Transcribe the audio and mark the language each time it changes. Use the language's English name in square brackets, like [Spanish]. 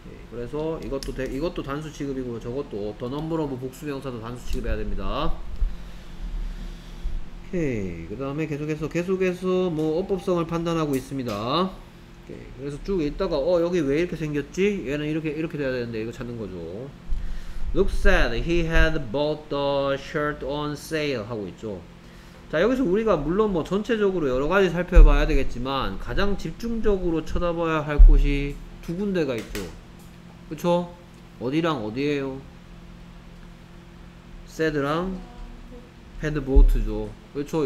[Korean] 그래서 이것도 단수 취급이고 저것도 더 넘버 오브 복수 명사도 단수 취급해야 됩니다. 오케이. 그 다음에 계속해서 뭐 어법성을 판단하고 있습니다. 오케이. 그래서 쭉 있다가 여기 왜 이렇게 생겼지? 얘는 이렇게 돼야 되는데 이거 찾는 거죠. [English] Look sad. He had bought the shirt on sale [Korean] 하고 있죠. 자, 여기서 우리가 물론 뭐 전체적으로 여러 가지 살펴봐야 되겠지만 가장 집중적으로 쳐다봐야 할 곳이 두 군데가 있죠. 그쵸? 어디랑 어디에요? sad랑 had bought죠. 그쵸?